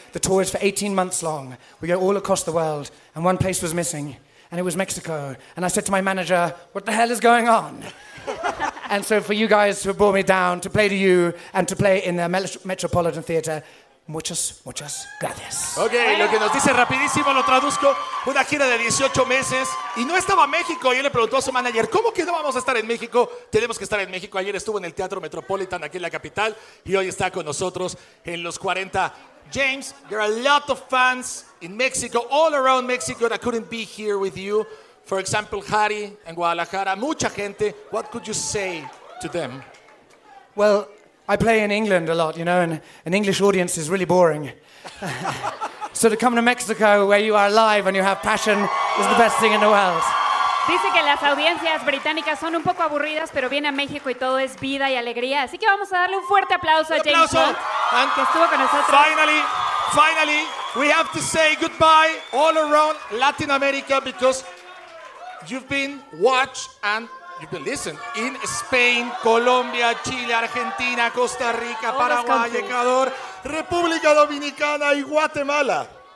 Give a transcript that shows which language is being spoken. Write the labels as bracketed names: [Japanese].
[English] The tour is for 18 months long. We go all across the world, and one place was missing, and it was Mexico. And I said to my manager, what the hell is going on? And so for you guys who brought me down to play to you and to play in the Metropolitan Theatre, [Spanish] muchas, muchas gracias. Okay, lo que nos dice rapidísimo, lo traduzco, una gira de 18 meses y no estaba México. Yo le preguntó a su manager, ¿cómo que no vamos a estar en México? Tenemos que estar en México. Ayer estuvo en el Teatro Metropolitan aquí en la capital y hoy está con nosotros en los 40. [English] James, there are a lot of fans in Mexico, all around Mexico, that couldn't be here with you. For example, Harry and Guadalajara, [Spanish] mucha gente. [English] What could you say to them? Well, I play in England a lot, you know, and an English audience is really boring. So to come to Mexico, where you are alive and you have passion, is the best thing in the world. [Spanish] Dice que las audiencias británicas son un poco aburridas, pero viene a México y todo es vida y alegría. Así que vamos a darle un fuerte aplauso a James Blunt, que estuvo con nosotros. [English] Finally, we have to say goodbye all around Latin America, because you've been watched and you've been listened in Spain, Colombia, Chile, Argentina, Costa Rica, Paraguay, Ecuador, República Dominicana y Guatemala.